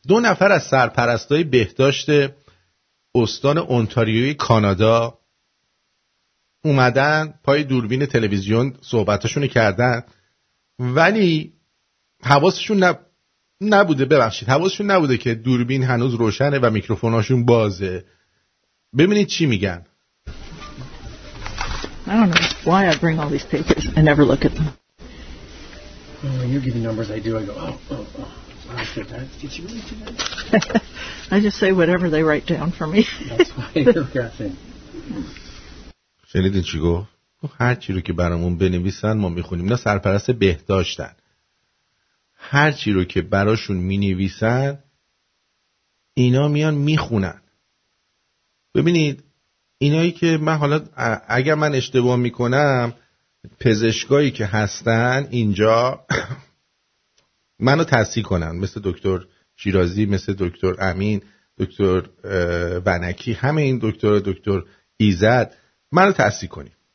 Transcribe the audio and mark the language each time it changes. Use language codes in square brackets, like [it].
[fa] دو نفر از سرپرستای بهداشت استان اونتاریوی کانادا اومدن پای دوربین تلویزیون صحبتشون کردن، ولی حواسشون نبوده، ببخشید، حواسشون نبوده که دوربین هنوز روشنه و میکروفوناشون بازه. ببینید چی میگن. [en] I don't know why I bring all these papers. I never look at them. Oh, you give me numbers, I do. I go, oh, oh, oh. Wow, did you really do that? I just say whatever they write down for me. That's why I look at them. [fa] شنیدین چی گفت؟ هر چی رو که برامون بنویسن ما میخونیم. نه، سرپرست بهداشتن. هر چی رو که براشون مینویسن اینا میان میخونن. ببینید اینایی که من حالا اگر من اشتباه میکنم پزشکایی که هستن اینجا منو تصحیح کنن، مثل دکتر شیرازی، مثل دکتر امین، دکتر ونکی، همه این دکتر ایزد منو تصحیح کنیم.